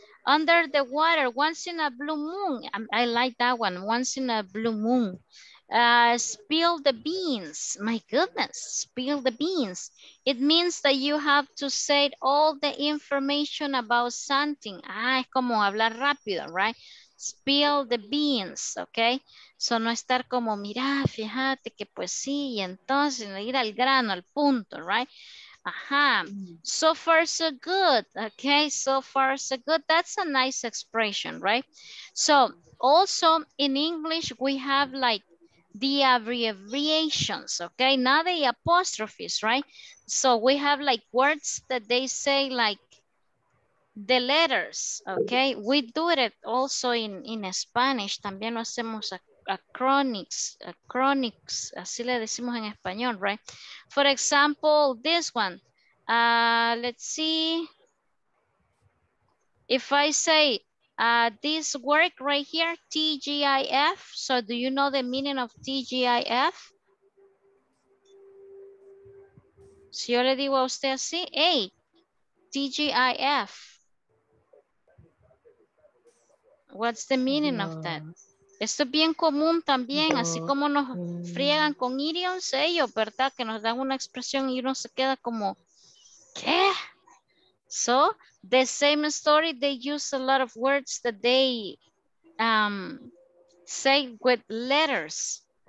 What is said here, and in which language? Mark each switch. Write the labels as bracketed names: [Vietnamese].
[English] Under the water, once in a blue moon. I like that one, once in a blue moon. Spill the beans. My goodness, spill the beans. It means that you have to say all the information about something. Ah, [Spanish] es como hablar rápido, [English] right? Spill the beans, okay? [Spanish] So no estar como, mira, fíjate que pues sí, y entonces ir al grano, al punto, right? [English] Aha, so far so good. Okay, so far so good. That's a nice expression, right? So also in English, we have like the abbreviations, okay? Not the apostrophes, right? So we have like words that they say like the letters, okay? We do it also in Spanish. [Spanish] También lo hacemos acronics, así le decimos en español, right? [English] For example, this one, let's see, if I say this work right here, TGIF, so do you know the meaning of TGIF? [Spanish] Si yo le digo a usted así, hey, TGIF, [English] what's the meaning of that? [Spanish] Esto es bien común también, así como nos friegan con idioms ellos, ¿verdad? Que nos dan una expresión y uno se queda como, ¿qué? [English] So, the same story, they use a lot of words that they say with letters.